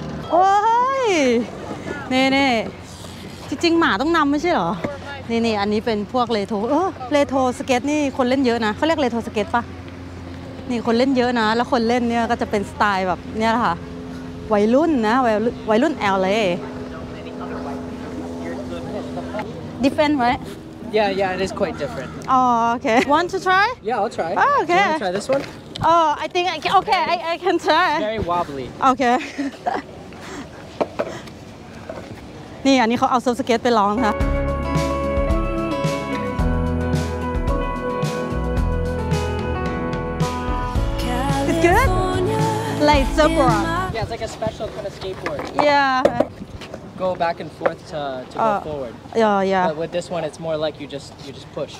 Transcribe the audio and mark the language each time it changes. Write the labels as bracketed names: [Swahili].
[Thai] โอ้ยนี่นี่จริงๆหมาต้องนำไม่ใช่หรอนี่นี่อันนี้เป็นพวกเลโทเลโทสเก็ตนี่คนเล่นเยอะนะเขาเรียกเลโทสเก็ตปะนี่คนเล่นเยอะนะแล้วคนเล่นเนี่ยก็จะเป็นสไตล์แบบเนี่ยค่ะวัยรุ่นนะวัยรุ่น [English] LA different right yeah it is quite different oh okay want to try yeah I'll try oh okay you want to try this one oh I think I can, okay I can try it's very wobbly [Thai] okay นี่อันนี้เขาเอาเซิร์ฟสเก็ตไปลองค่ะ [English] It's good light surfboard Yeah, it's like a special kind of skateboard. Yeah. Go back and forth to go forward. Yeah, yeah. But with this one, it's more like you just push.